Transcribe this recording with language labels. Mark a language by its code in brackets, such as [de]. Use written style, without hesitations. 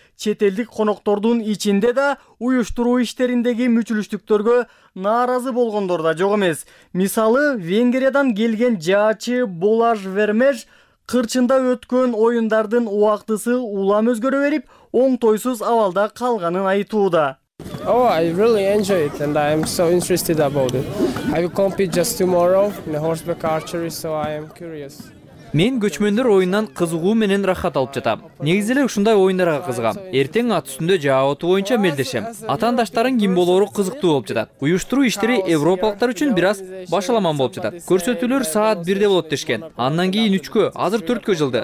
[ky] Чет элдик коноктордун ичинде да уюштуруу иштериндеги мүчүлүштүктөргө нааразы болгондор да жок эмес. Мисалы, Венгриядан келген жаачы Болаж Вермеж кырчында өткөн оюндардын убактысы улам өзгөрө берип, оң тойсуз абалда калганын айтууда. [en] Oh, I really enjoy it and I am so interested about it. I will compete just tomorrow in the horseback archery, so I am curious. [ky] Мен көчмөндөр оюнунан кызыгуу менен рахат алып жатам. Негизи эле ушундай оюндарга кызыгам. Эртең ат үстүндө жаап отуу боюнча мелдешем. Атаандаштарын ким болоору кызыктуу болуп жатат. Уюштуруу иштери европалыктар үчүн бир аз башаламан болуп жатат. Көрсөтүүлөр саат 1:00 болот дешкен. Андан кийин 3:00, азыр 4:00 жылды.